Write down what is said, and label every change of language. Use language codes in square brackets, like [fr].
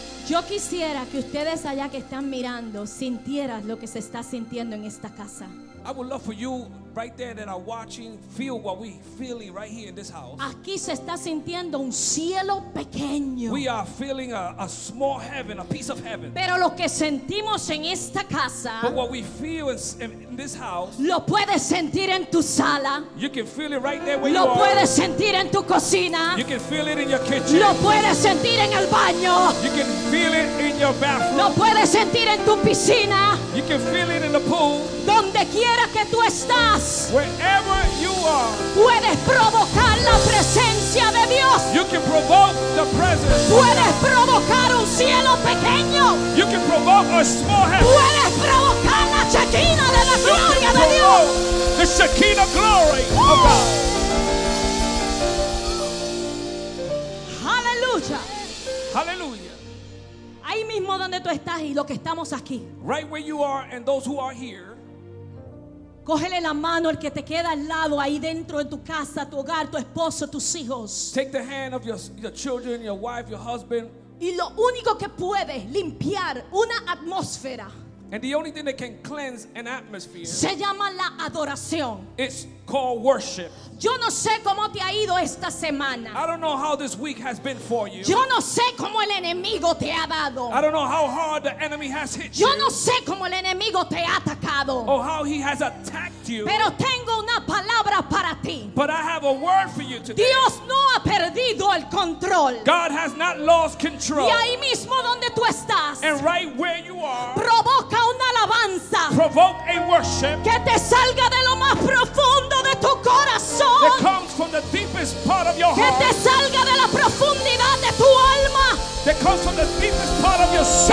[es] Yo quisiera que ustedes allá que están mirando sintieran lo que se está sintiendo en esta casa. [en] I would love for you right there that are watching, feel what we feeling right here in this house. [es] Aquí se está sintiendo un cielo pequeño. [en] We are feeling a small heaven, a piece of heaven. [es] Pero lo que sentimos en esta casa, [en] but what we feel in this house, [es] lo puedes sentir en tu sala. [en] You can feel it right there where [es] lo [en] you are. [es] Lo puedes sentir en tu cocina. [en] You can feel it in your kitchen. [es] Lo puedes sentir en el baño. [en] You can feel it in your bathroom. [es] Lo puedes sentir en tu piscina. [en] You can feel it in the pool. [es] Donde quiera que tú estás. [en] Wherever you are, [es] puedes provocar la presencia de Dios. [en] You can provoke the presence. [es] Puedes provocar un cielo pequeño. [en] You can provoke a small heaven. [es] Puedes provocar la Shekinah de la gloria de Dios. [en] The Shekinah glory of God. [es] Hallelujah. [en] Hallelujah. [es] Ahí mismo donde tú estás y lo que estamos aquí. [en] Right where you are and those who are here. [es] Cógele la mano al que te queda al lado ahí dentro de tu casa, tu hogar, tu esposo, tus hijos. [en] Take the hand of your children, your wife, your husband. [es] Y lo único que puede limpiar una atmósfera. [en] And the only thing that can cleanse an atmosphere. [es] Se llama la adoración. [en] It's called worship. [es] Yo no sé cómo te ha ido esta semana. [en] I don't know how this week has been for you. [es] Yo no sé cómo el enemigo te ha dado. [en] I don't know how hard the enemy has hit [es] Yo [en] you. [es] Yo no sé cómo el enemigo te ha atacado. [en] Or how he has attacked you. [es] Pero tengo una palabra para ti. [en] But I have a word for you today. [es] Dios no ha perdido el control. [en] God has not lost control. [es] Y ahí mismo donde tú estás. [en] And right where you are. [es] Provoca una alabanza. [en] Provoke a worship. [es] Que te salga de lo más profundo de tu corazón. [en] That comes from the deepest part of your heart. [es] Que te salga de la profundidad de tu alma. [en] That comes from the deepest part of your soul.